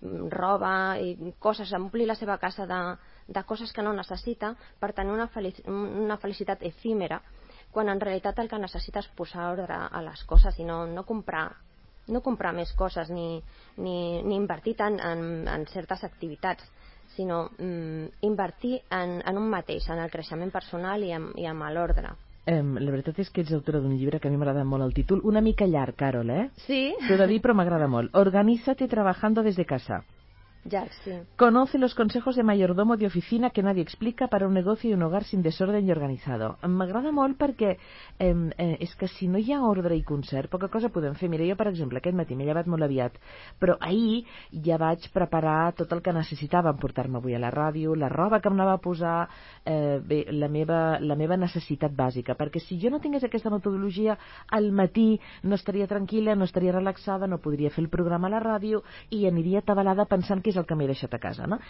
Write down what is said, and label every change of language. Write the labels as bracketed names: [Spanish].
[Catalan] roba i coses, omplir la seva casa de coses que no necessita per tenir una felicitat efímera, quan en realitat el que necessita és posar ordre a les coses i no comprar més coses ni invertir tant en certes activitats, sinó invertir en un mateix, en el creixement personal i en l'ordre. La veritat és que ets autora d'un llibre que a mi m'agrada molt el títol, una mica llarg, Carol, eh? Sí. T'ho he de dir, però m'agrada molt. [Spanish] Organízate trabajando desde casa. [Catalan] Ja, sí. [Spanish] Conoce los consejos de mayordomo de oficina que nadie explica para un negocio y un hogar sin desorden y organizado. [Catalan] M'agrada molt perquè és que si no hi ha ordre i concert, poca cosa podem fer. Mira, jo, per exemple, aquest matí m'he llevat molt aviat, però ahir ja vaig preparar tot el que necessitava, emportar-me avui a la ràdio, la roba que em anava a posar, bé, la meva necessitat bàsica, perquè si jo no tingués aquesta metodologia, al matí no estaria tranquil·la, no estaria relaxada, no podria fer el programa a la ràdio i aniria atabalada pensant que és el que m'he deixat a casa, no?